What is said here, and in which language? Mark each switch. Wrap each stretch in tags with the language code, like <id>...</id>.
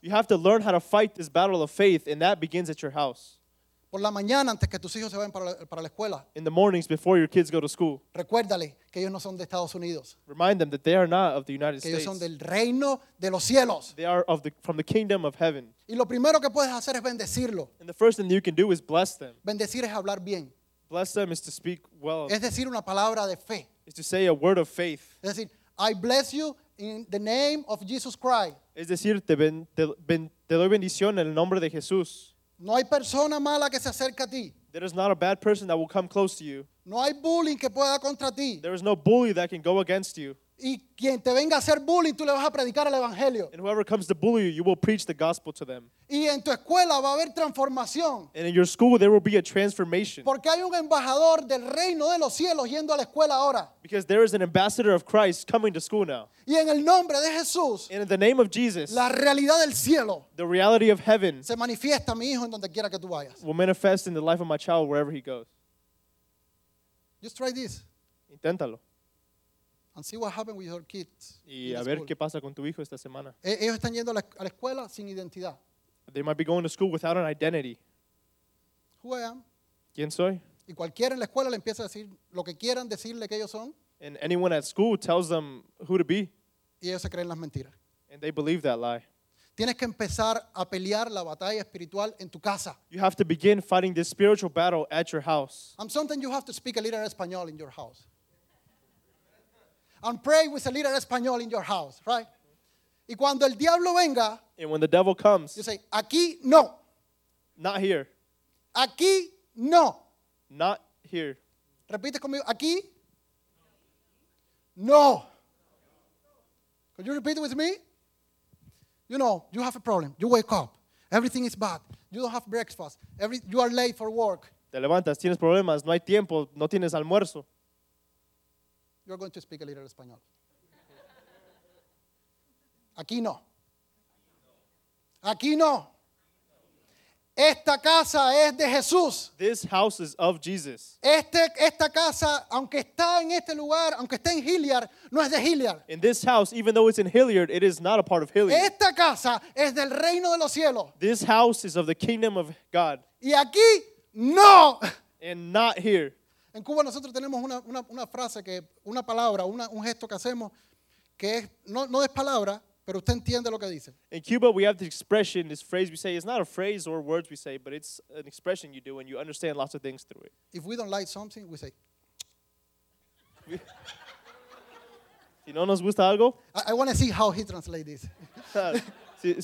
<en>You have to learn how to fight this battle of faith and that begins at your house.</en> <es>Por la mañana antes que tus hijos se vayan para la escuela.</es> <en>In the mornings before your kids go to school.</en> <es>Recuérdale que ellos no son de Estados Unidos.</es> <en>Remind them that they are not of the United States.</en> <es>Que ellos son del reino de los cielos.</es> <en>They are from the kingdom of heaven.</en> <es>Y lo primero que puedes hacer es bendecirlo.</es> <en>And the first thing that you can do is bless them.</en> <es>Bendecir es hablar bien.</es> <en>Bless them is to speak well.</en> <es>Es decir una palabra de fe.</es> <en>Is to say a word of faith.</en> <es>Es decir,</es> <en>I bless you in the name of Jesus Christ.</en> <es>Es decir, te doy bendición en el nombre de Jesús. No hay persona mala que se acerque a ti.</es> <en>There is not a bad person that will come close to you.</en> <es>No hay bullying que pueda contra ti.</es> <en>There is no bully that can go against you.</en> <es>Y quien te venga a hacer bullying, tú le vas a predicar el evangelio.</es> <en>And whoever comes to bully you, you will preach the gospel to them.</en> <es>Y en tu escuela va a haber transformación.</es> <en>And in your school, there will be a transformation.</en> <es>Porque hay un embajador del reino de los cielos yendo a la escuela ahora.</es> <en>Because there is an ambassador of Christ coming to school now.</en> <es>Y en el nombre de Jesús.</es> <en>And in the name of Jesus.</en> <es>La realidad del cielo.</es> <en>The reality of heaven.</en> <es>Se manifiesta a mi hijo en donde quiera que tú vayas.</es> <en>Will manifest in the life of my child wherever he goes. Just try this.</en> <es>Inténtalo.</es> <en>and see what happened with your kids.</en> <es>Y a ver qué pasa con tu hijo esta semana. Ellos están yendo a la escuela sin identidad.</es> <en>They might be going to school without an identity. Who I am?</en> <es>¿Quién soy? Y cualquiera en la escuela le empieza a decir lo que quieran decirle que ellos son.</es> <en>And anyone at school tells them who to be.</en> <es>Y ellos se creen las mentiras.</es> <en>And they believe that lie.</en> <es>Tienes que empezar a pelear la batalla espiritual en tu casa.</es> <en>You have to begin fighting this spiritual battle at your house. And sometimes you have to speak a little español in your house. And pray with a little español in your house, right?</en> <es>Y cuando el diablo venga,</es> <en>and when the devil comes, you say,</en> <es>aquí no.</es> <en>Not here.</en> <es>Aquí no.</es> <en>Not here.</en> <es>Repite conmigo, aquí no.</es> <en>Could you repeat it with me? You know, you have a problem. You wake up. Everything is bad. You don't have breakfast. You are late for work.</en> <es>Te levantas, tienes problemas. No hay tiempo. No tienes almuerzo.</es> <en>You're going to speak a little español.</en> <es>Aquí no. Aquí no. Esta casa es de Jesús.</es> <en>This house is of Jesus.</en> <es>Esta casa, aunque está en este lugar, aunque está en Hilliard, no es de Hilliard.</es> <en>In this house, even though it's in Hilliard, it is not a part of Hilliard.</en> <es>Esta casa es del reino de los cielos.</es> <en>This house is of the kingdom of God.</en> <es>Y aquí, no.</es> <en>And not here.</en> <es>En Cuba nosotros tenemos una frase, que una palabra, un gesto que hacemos, que es, no es palabra, pero usted entiende lo que dice.</es> <en>In Cuba, we have the expression, this phrase we say. It's not a phrase or words we say, but it's an expression you do, and you understand lots of things through it. If we don't like something, we say.</en> <es>Si no nos gusta algo.</es> <en>I want to see how he translates this.</en>